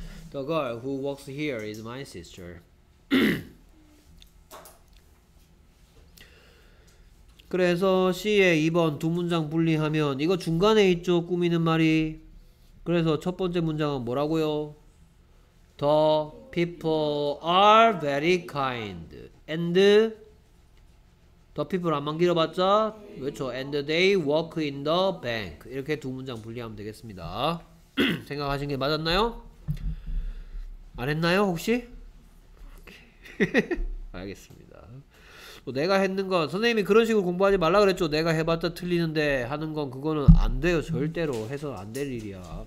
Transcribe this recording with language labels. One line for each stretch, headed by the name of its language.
English: The girl who works here is my sister.
Korean: 그래서 C의 2번 두 문장 분리하면 이거 중간에 있죠 꾸미는 말이. 그래서 첫 번째 문장은 뭐라고요?
English: The people are very kind and the people
Korean: 안만 길어봤자 그렇죠
English: and they work in the bank.
Korean: 이렇게 두 문장 분리하면 되겠습니다. 생각하신 게 맞았나요? 안 했나요 혹시? 알겠습니다. 뭐 내가 했는 건 선생님이 그런 식으로 공부하지 말라 그랬죠. 내가 해봤자 틀리는데 하는 건 그거는 안 돼요. 절대로 해서 안 될 일이야.